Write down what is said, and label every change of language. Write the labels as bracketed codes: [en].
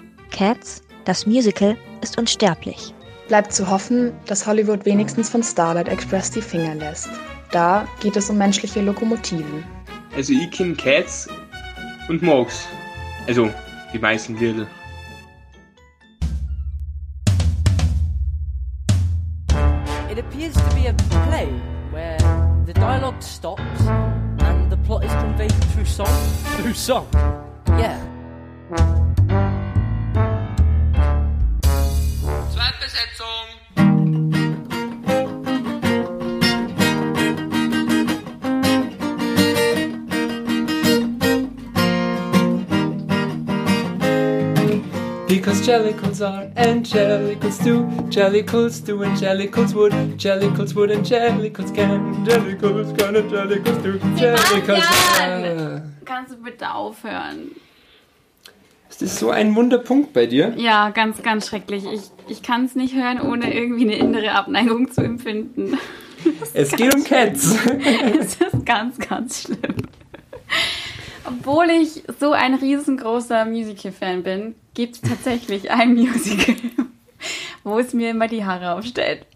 [de] Cats, das Musical, ist unsterblich. Bleibt zu hoffen, dass Hollywood wenigstens von Starlight Express die Finger lässt. Da geht es um menschliche Lokomotiven. Also ich kenne Cats und Mogs. Also die meisten Lieder. [en] It appears to be a play where the dialogue stops and the plot is conveyed through song. Through song? Yeah. Because Jellicles are and Jellicles do, Jellicles do and Jellicles would, Jellicles would and Jellicles can, Jellicles can and Jellicles do, Jellicles can. [de] Kannst du bitte aufhören? Ist das so ein wunder Punkt bei dir? Ja, ganz, ganz schrecklich. Ich kann es nicht hören, ohne irgendwie eine innere Abneigung zu empfinden. Es geht um Cats. Es ist ganz, ganz schlimm. Obwohl ich so ein riesengroßer Musical-Fan bin, gibt es tatsächlich ein Musical, wo es mir immer die Haare aufstellt.